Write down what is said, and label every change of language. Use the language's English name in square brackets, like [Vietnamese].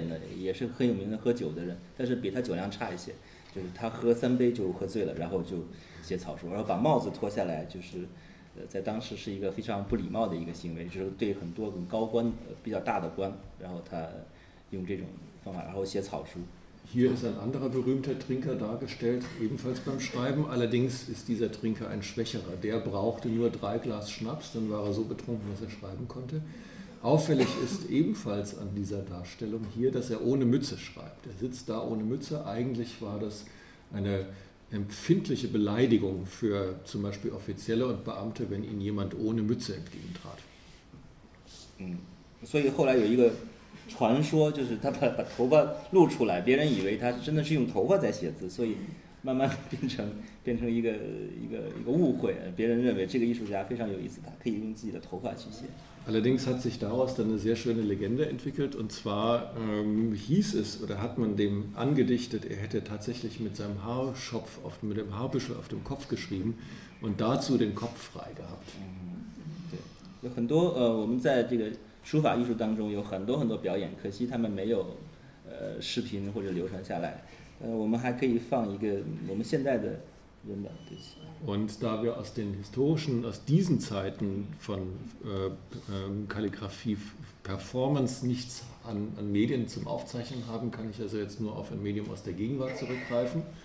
[German] Das ist ein bisschen früher, [Chinese] 就是他喝三杯就喝醉了，然后就写草书，然后把帽子脱下来，就是在当时是一个非常不礼貌的一个行为，就是对很多很高官比较大的官，然后他用这种方法，然后写草书。 [German] Hier ist ein anderer berühmter Trinker dargestellt, ebenfalls beim Schreiben. Allerdings ist dieser Trinker ein Schwächerer. Der brauchte nur 3 Glas Schnaps, dann war er so betrunken, dass er schreiben konnte. Auffällig ist ebenfalls an dieser Darstellung hier, dass er ohne Mütze schreibt. Er sitzt da ohne Mütze. Eigentlich war das eine empfindliche Beleidigung für zum Beispiel Offizielle und Beamte, wenn ihnen jemand ohne Mütze entgegentrat. So, hier hat eine [Chinese] 传说就是他 把头发露出来，别人以为他真的是用头发在写字，所以慢慢变成一个误会，别人认为这个艺术家非常有意思，他可以用自己的头发去写。 [German] Allerdings hat sich daraus dann eine sehr schöne Legende entwickelt, und zwar hieß es oder hat man dem angedichtet, er hätte tatsächlich mit seinem Haarschopf, mit dem Haarbüschel auf dem Kopf geschrieben und dazu den Kopf frei gehabt. [Chinese] 对，有很多我们在这个书法艺术当中有很多很多表演，可惜他们没有视频或者流传下来。我们还可以放一个我们现在的人的。对不起。 [German] Und da wir aus den historischen, aus diesen Zeiten von Kalligraphie Performance nichts an Medien zum Aufzeichnen haben, kann ich also jetzt nur auf ein Medium aus der Gegenwart zurückgreifen.